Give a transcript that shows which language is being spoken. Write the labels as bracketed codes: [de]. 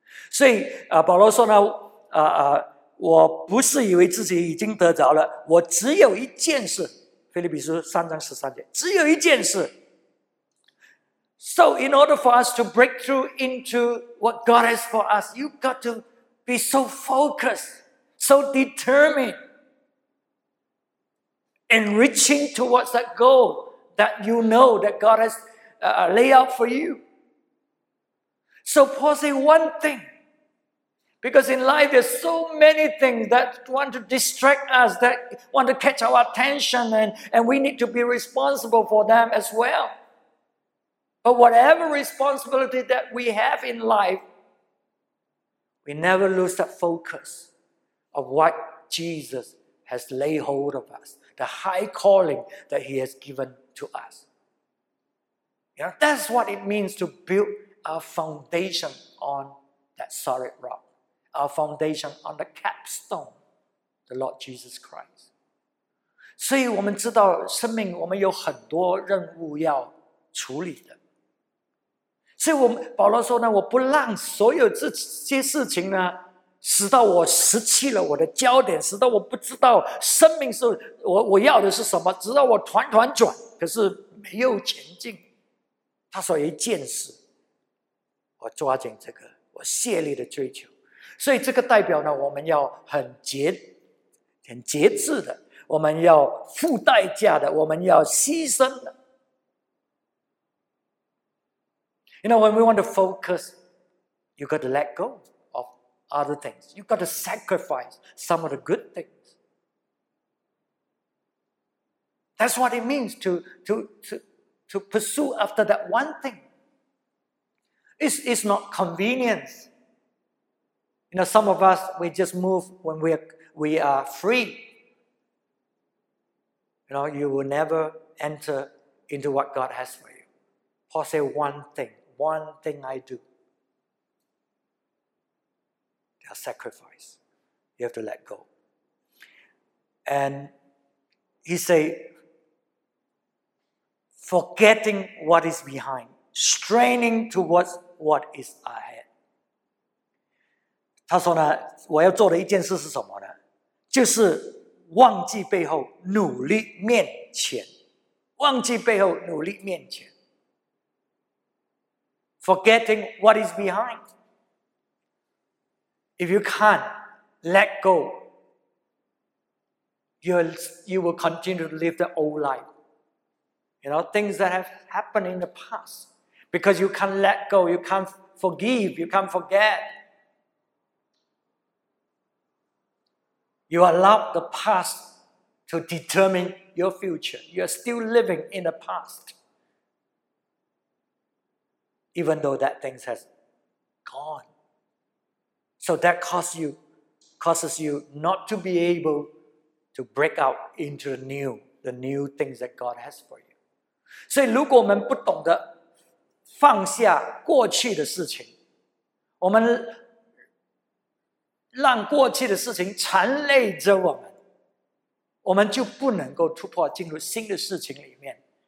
[zh] 所以、保罗说呢、我不是以为自己已经得着了，我只有一件事。腓立比书三章十三节，只有一件事。 [en] So in order for us to break through into what God has for us, you've got to be so focused, so determined, and reaching towards that goal that you know that God has laid out for you. So Paul said one thing, because in life there's so many things that want to distract us, that want to catch our attention, and we need to be responsible for them as well. But whatever responsibility that we have in life, we never lose that focus of what Jesus has laid hold of us, the high calling that he has given to us. You know, that's what it means to build our foundation on that solid rock, our foundation on the capstone, the Lord Jesus Christ. [zh] 所以我们知道生命我们有很多任务要处理的。所以我们保罗说呢，我不让所有这些事情呢使到我失去了我的焦点，使到我不知道生命是我要的是什么，直到我团团转可是没有前进。他说一件事，我抓紧这个我卸力的追求。所以这个代表呢，我们要很节制的，我们要付代价的，我们要牺牲的。 [en] You know, when we want to focus, you've got to let go of other things. You've got to sacrifice some of the good things. That's what it means to pursue after that one thing. It's not convenience. You know, some of us, we just move when we are free. You know, you will never enter into what God has for you. Paul said one thing. One thing I do, their sacrifice. You have to let go. And he say, forgetting what is behind, straining towards what is ahead. [zh] 他说呢，我要做的一件事是什么呢？就是忘记背后，努力面前。忘记背后，努力面前。 [en] Forgetting what is behind. If you can't let go, you will continue to live the old life. You know, things that have happened in the past. Because you can't let go, you can't forgive, you can't forget. You allow the past to determine your future. You are still living in the past. Even though that thing has gone. So that causes you not to be able to break out into the new things that God has for you. [zh] 所以如果我们不懂得放下过去的事情，我们让过去的事情缠累着我们，我们就不能够突破进入新的事情里面。